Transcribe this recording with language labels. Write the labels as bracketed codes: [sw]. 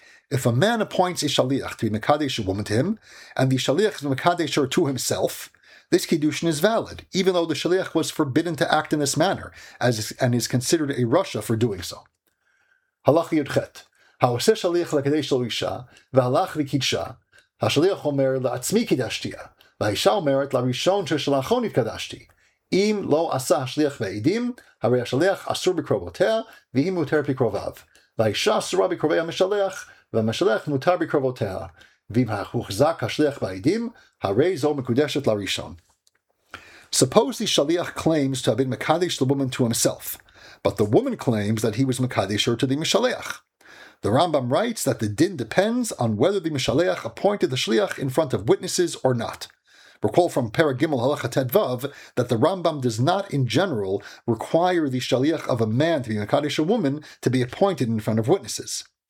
[en] If a man appoints a shaliach to be mekadesh a woman to him, and the shaliach is mekadesh her to himself, this kiddushin is valid, even though the shaliach was forbidden to act in this manner, and is considered a rasha for doing so. [he] Halach yudchet, ha'oseh shaliach lekadesh lo isha, v'alach likitsha, השליח אומר לעצמי קידשתיה, והאישה אומרת לראשון ששלחו נתקדשתי. אם לא עשה השליח ועדים, הרי השליח אסור בקרובותיה, והיא מותר בקרוביו. והאישה אסורה בקרובי המשלח, והמשלח מותר בקרובותיה. ואם הוחזק השליח ועדים, הרי זו מקודשת לראשון. [en] Suppose the shaliach claims to have been mekadesh the woman to himself, but the woman claims that he was mekadesh her to the mishaliach. The Rambam writes that the din depends on whether the mishaleach appointed the shliach in front of witnesses or not. Recall from Perek Gimel Halacha Tet Vav that the Rambam does not, in general, require the shliach of a man to be mekadesh a woman to be appointed in front of witnesses.